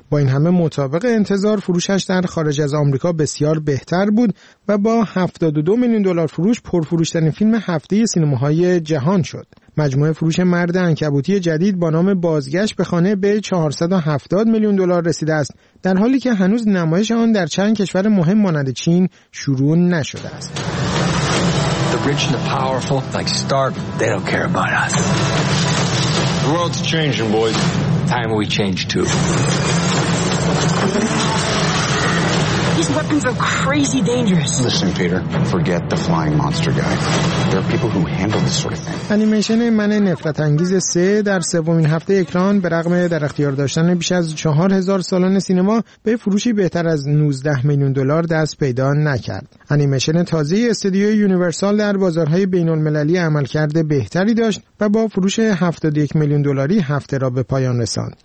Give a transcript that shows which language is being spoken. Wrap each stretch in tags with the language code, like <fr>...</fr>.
<fa>با این همه مطابق انتظار فروشش در خارج از آمریکا بسیار بهتر بود و با 72 میلیون دلار فروش پرفروش‌ترین فیلم هفته سینماهای جهان شد. مجموعه فروش مرد عنکبوتی جدید با نام بازگشت به خانه به 470 میلیون دلار رسیده است، در حالی که هنوز نمایش آن در چند کشور مهم مانند چین شروع نشده است.</fa> <en>The rich and the powerful, like Stark, they don't care about us. The world's changing, boys. Time we change too. These weapons are crazy dangerous. Listen, Peter, forget the flying monster guy. There are people who handle this sort of thing.</en> <fa>انیمیشن من نفرت انگیز 3 در سومین هفته اکران به رغم در اختیار داشتن بیش از 4000 سالن سینما به فروشی بهتر از 19 میلیون دلار دست پیدا نکرد. انیمیشن تازه استودیوی یونیورسال در بازارهای بین المللی عمل کرده بهتری داشت و با فروش 71 میلیون دلاری هفته را به پایان رساند.</fa>